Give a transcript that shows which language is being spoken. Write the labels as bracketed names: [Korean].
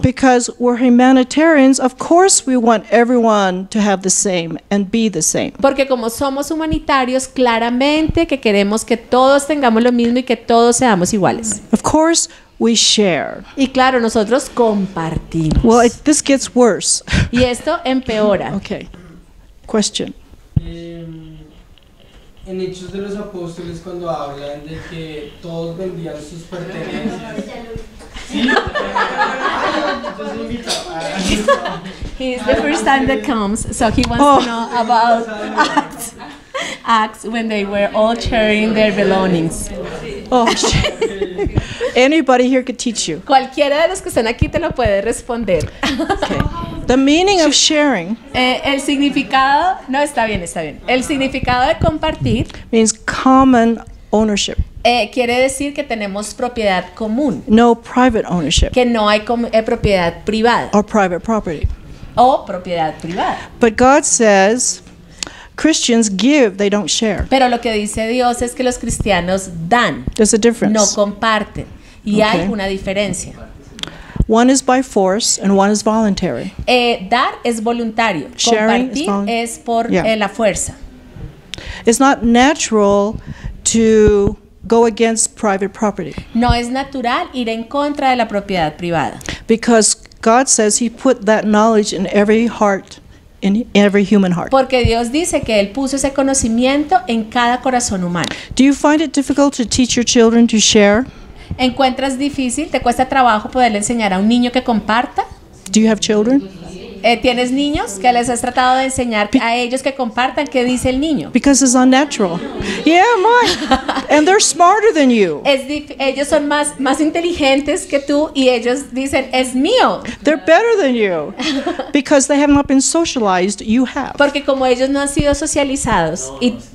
[English] Because we're humanitarians, of course we want everyone to have the same and be the same. [Spanish] Porque como somos humanitarios, claramente que queremos que todos tengamos lo mismo y que todos seamos iguales. [English] Of course, we share. [Spanish] Y claro, nosotros compartimos. [English] Well, this gets worse. [Spanish] Y esto empeora. [English] Okay. Question. [Spanish] En Hechos de los Apóstoles, cuando hablan de que todos vendían sus pertenencias. [English] He's the first time that comes, so he wants to know about Acts when they were all sharing their belongings. Oh, anybody here could teach you. [Spanish] Cualquiera de los que están aquí te lo puede responder. [English] The meaning of sharing. [Spanish] El significado. No, está bien, está bien. El significado de compartir. [English] Means common ownership. [Spanish] Quiere decir que tenemos propiedad común. [English] No private ownership. [Spanish] Que no hay propiedad privada. [English] Or private property. [Spanish] O propiedad privada. [English] But God says Christians give, they don't share. [Spanish] Pero lo que dice Dios es que los cristianos dan. [English] There's a difference. [Spanish] No comparten. Y okay. Hay una diferencia. [English] One is by force and one is voluntary. [Spanish] Dar es voluntario. [English] Sharing [Spanish] compartir [English] is [Spanish] es por yeah. La fuerza. [English] It's not natural to go against private property. [Spanish] No es natural ir en contra de la propiedad privada. [English] Because God says he put that knowledge in every heart, in every human heart. [Spanish] Porque Dios dice que él puso ese conocimiento en cada corazón humano. [English] Do you find it difficult to teach your children to share? [Spanish] ¿Encuentras difícil, te cuesta trabajo poderle enseñar a un niño que comparta? [English] Do you have children? [Spanish] ¿Tienes niños que les has tratado de enseñar a ellos que compartan qué dice el niño? [English] Because it's unnatural. Yeah, my. And they're smarter than you. [Spanish] Ellos son más inteligentes que tú y ellos dicen es mío. [English] They're better than you because they have not been socialized. You have. [Spanish] Porque como ellos no han sido socializados y